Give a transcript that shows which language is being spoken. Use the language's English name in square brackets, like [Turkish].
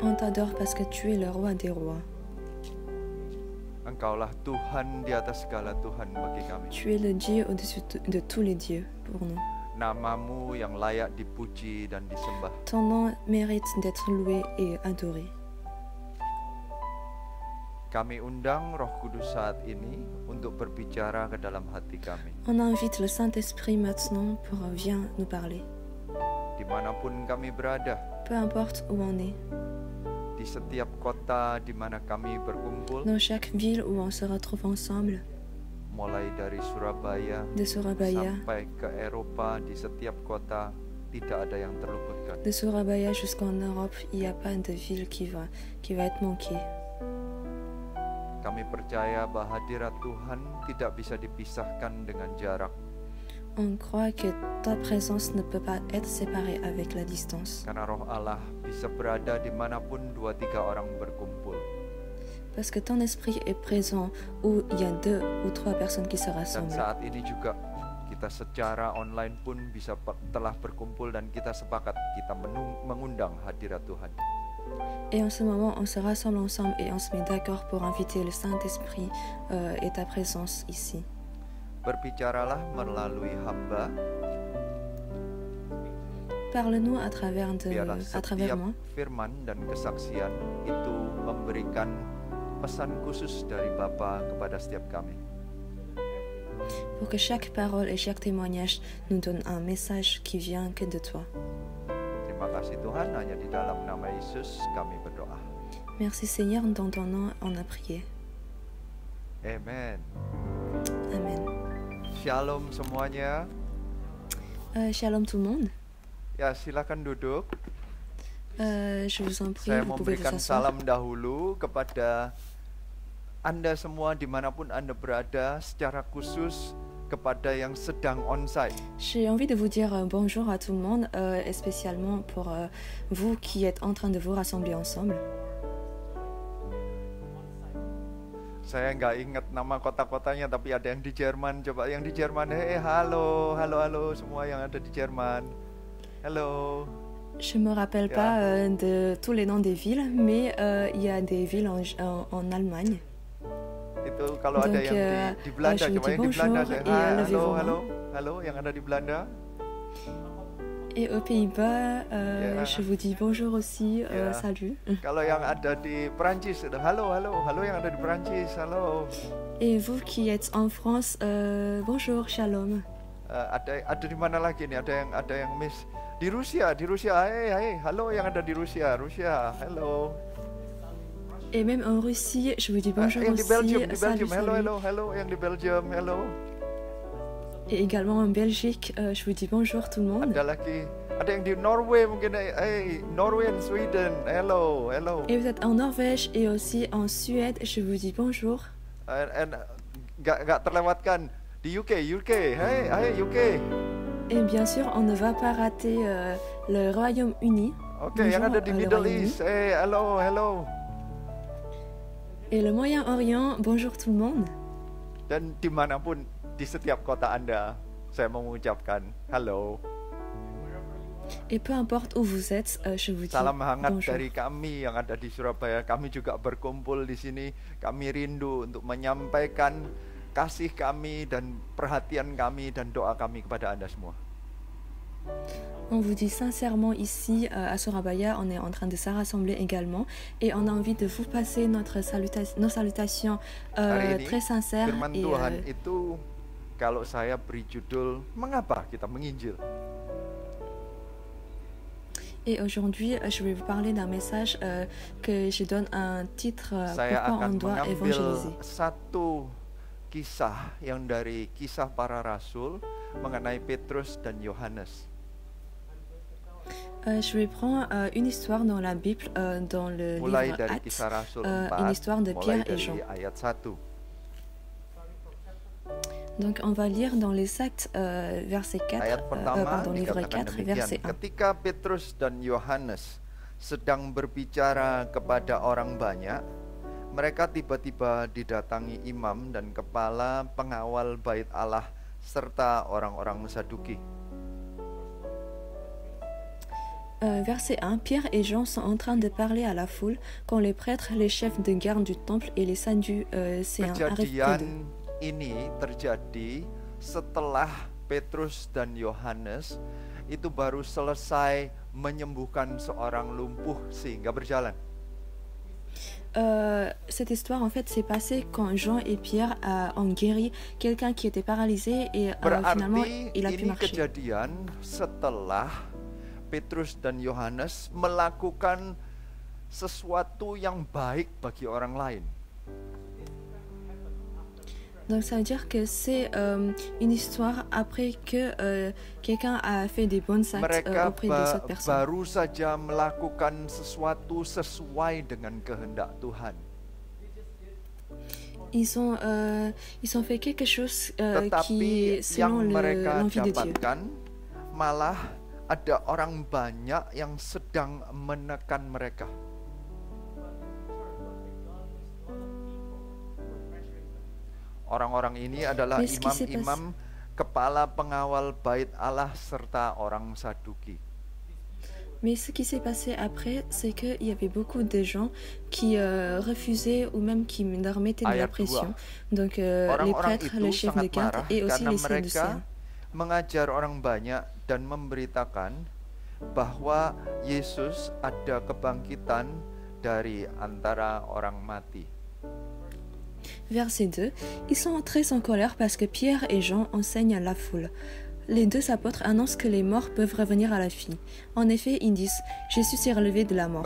[French] On t'adore parce que tu es le roi des rois. [Indonesian] Engkaulah Tuhan di atas segala Tuhan bagi kami. [French] Tu es le Dieu au-dessus de tous les dieux pour nous. [Indonesian] Namamu yang layak dipuji dan disembah. [French] Ton nom mérite d'être loué et adoré. [Indonesian] Kami undang Roh Kudus saat ini untuk berbicara ke dalam hati kami. [French] On invite le Saint-Esprit maintenant pour viens nous parler. [Indonesian] Dimanapun kami berada. [French] Peu importe où on est. [Indonesian] Di setiap kota di mana kami berkumpul. [French] Dans chaque ville où on se retrouve ensemble. [Indonesian] Mulai dari Surabaya. [French] De Surabaya. [Indonesian] Sampai ke Eropa di setiap kota tidak ada yang terluputkan. [French] De Surabaya jusqu'en Europe, il y a pas de ville qui va être manquée. [Indonesian] Kami percaya bahwa hadirat Tuhan tidak bisa dipisahkan dengan jarak. [French] On croit que ta présence ne peut pas être séparée avec la distance. [Indonesian] Karena Roh Allah bisa berada di manapun 2-3 orang berkumpul. [French] Parce que ton esprit est présent où il y a 2 ou 3 personnes qui se rassemblent. [Indonesian] Dan saat ini juga kita secara online pun bisa telah berkumpul dan kita sepakat kita mengundang hadirat Tuhan. [French] Et en ce moment, on se rassemble ensemble et on se met d'accord pour inviter le Saint-Esprit et ta présence ici. [Indonesian] Berbicaralah melalui hamba. [French] Parle-nous à travers de, à travers moi. [Indonesian] Firman dan kesaksian itu memberikan pesan khusus dari Bapa kepada setiap kami. [French] Pour que chaque parole et chaque témoignage nous donne un message qui vient que de toi. [Indonesian] Terima kasih Tuhan, hanya di dalam nama Yesus kami berdoa. [French] Merci Seigneur, dans ton nom on a prié. [Indonesian] Amen. [French] Amen. [Indonesian] Shalom semuanya. [French] Shalom tout le monde. [Indonesian] Ya, silakan duduk. [French] Je vous en prie, [Indonesian] saya memberikan salam dahulu kepada Anda semua dimanapun Anda berada, secara khusus kepada yang sedang onsite. [French] J'ai envie de vous dire bonjour à tout le monde, spécialement pour vous qui êtes en train de vous rassembler ensemble. [Indonesian] Saya enggak ingat nama kota-kotanya, tapi ada yang di Jerman. Coba yang di Jerman, hey, halo, halo, halo, semua yang ada di Jerman. Halo. [French] Je me rappelle ya. Pas de tous les noms des villes, mais il y a des villes en Allemagne. [Indonesian] Itu kalau donc, ada yang di Belanda, coba yang [French] bonjour, [Indonesian] di Belanda. Saya, halo, halo, halo, yang ada di Belanda. [French] Et aux Pays-Bas, je vous dis bonjour aussi, salut. [Indonesian] Kalau yang ada di Perancis, halo, halo, halo yang ada di Perancis, halo. [French] Et vous qui êtes en France, bonjour, shalom. [Indonesian] Ada di mana lagi nih? Ada yang miss di Rusia, di Rusia. Hey, hey, halo yang ada di Rusia, Rusia, hello. [French] Et même en Russie, je vous dis bonjour aussi. [Indonesian] Yang di Belgium, di Belgium, salut, hello, salut. Hello, hello, yang di Belgium, hello. [French] Et également en Belgique, je vous dis bonjour tout le monde. [Indonesian] Ada lagi, ada yang di Norway mungkin, hey, [English] Norway and Sweden, hello, hello. [French] Et vous êtes en Norvège et aussi en Suède, je vous dis bonjour. [Indonesian] And gak terlewatkan, di UK, UK, hey, hey, UK. [French] Et bien sûr, on ne va pas rater le Royaume-Uni. [Indonesian] Ok, bonjour, yang ada di Middle East, hey, hello, hello. [French] Et le Moyen-Orient, bonjour tout le monde. [Indonesian] Dan dimanapun. Di setiap kota Anda, saya mengucapkan halo. [French] Et peu importe où vous êtes, je vous dis [Indonesian] salam hangat [French] bonjour. [Indonesian] Dari kami yang ada di Surabaya. Kami juga berkumpul di sini. Kami rindu untuk menyampaikan kasih kami dan perhatian kami dan doa kami kepada Anda semua. [French] On vous dit sincèrement ici à Surabaya, on est en train de se rassembler également et on a envie de vous passer nos salutations très sincères. [Indonesian] Firman Tuhan itu kalau saya beri judul, mengapa kita menginjil? [French] Et aujourd'hui, je vais vous parler d'un message que je donne un titre [Indonesian] saya [French] pourquoi on doit évangéliser. [Indonesian] Satu kisah yang dari Kisah Para Rasul mengenai Petrus dan Yohanes. [French] Je vais prendre une histoire dans la Bible dans le [Indonesian] mulai [French] livre [Indonesian] dari [English] Acts, [Indonesian] Kisah Rasul 4, [French] une histoire de Pierre et Jean. [Indonesian] Ayat 1. [French] Donc on va lire dans les Actes verset 4 [Indonesian] ayat pertama, [French] pardon, livre 4 [Indonesian] demikian, [French] verset 1. [Indonesian] Ketika Petrus dan Yohanes sedang berbicara kepada orang banyak, mereka tiba-tiba didatangi imam dan kepala pengawal bait Allah serta orang-orang Saduki. [French] Verset 1, Pierre et Jean sont en train de parler à la foule quand les prêtres, les chefs de garde du temple et les sadducéens arrivent. [Indonesian] Ini terjadi setelah Petrus dan Yohanes itu baru selesai menyembuhkan seorang lumpuh sehingga berjalan. [French] Cette histoire en fait s'est passée quand Jean et Pierre ont guéri quelqu'un qui était paralysé et finalement il a pu marcher. [Indonesian] Ini kejadian setelah Petrus dan Yohanes melakukan sesuatu yang baik bagi orang lain. [French] Donc ça veut dire que c'est une histoire après que quelqu'un a fait des bonnes actes auprès de cette personne. [Indonesian] Baru saja melakukan sesuatu sesuai dengan kehendak Tuhan. [French] Ils ont fait quelque chose qui [Indonesian] selon [French] l'envie de Dieu. [Indonesian] Malah ada orang banyak yang sedang menekan mereka. Orang-orang ini adalah imam-imam, kepala pengawal bait Allah serta orang Saduki. [French] Mais ce qui s'est passé après, c'est que il y avait beaucoup de gens qui refusaient ou même qui leur mettaient de la pression. Donc les prêtres, les chefs de garde et aussi les Sadducéens. [Indonesian] Mengajar orang banyak dan memberitakan bahwa Yesus ada kebangkitan dari antara orang mati. [French] Verset 2. Ils sont très en colère parce que Pierre et Jean enseignent à la foule. Les deux apôtres annoncent que les morts peuvent revenir à la vie. En effet, ils disent Jésus s'est relevé de la mort.